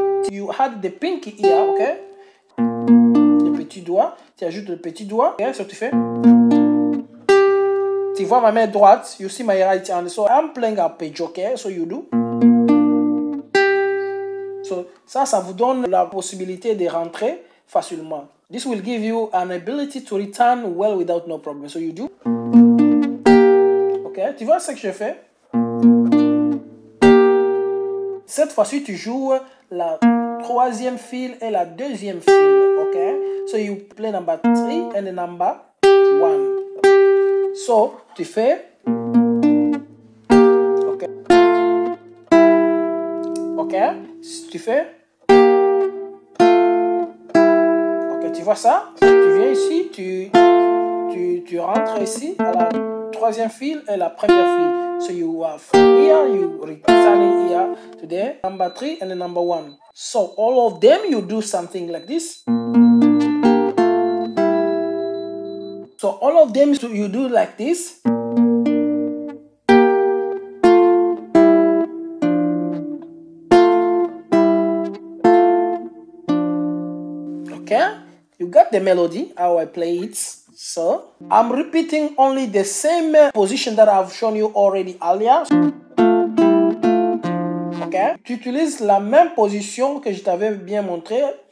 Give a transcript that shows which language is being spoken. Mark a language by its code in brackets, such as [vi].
[en] You had the pinky here, ok. [fr] Le petit doigt. Tu ajoutes le petit doigt. Ok, ce que tu fais. Tu vois ma main droite. [en] You see my right hand. So I'm playing arpeggio, ok. So you do. [fr] So ça, ça vous donne la possibilité de rentrer facilement. [en] This will give you an ability to return well without no problem. So you do. [fr] Ok, tu vois ce que je fais. Cette fois-ci, tu joues la troisième fil et la deuxième fil, ok? [en] So, you play number three and number one. [fr] So, tu fais... Ok? Ok? Tu fais... Ok, tu vois ça? Tu viens ici, tu rentres ici à la troisième fil et la première fil. [en] So you are from here, you return here today, number three and number one. So all of them, you do something like this. So all of them, you do like this. Okay, you got the melody, how I play it. So, I'm repeating only the same position that I've shown you already earlier. Ok? [fr] Tu utilises la même position que je t'avais bien montré.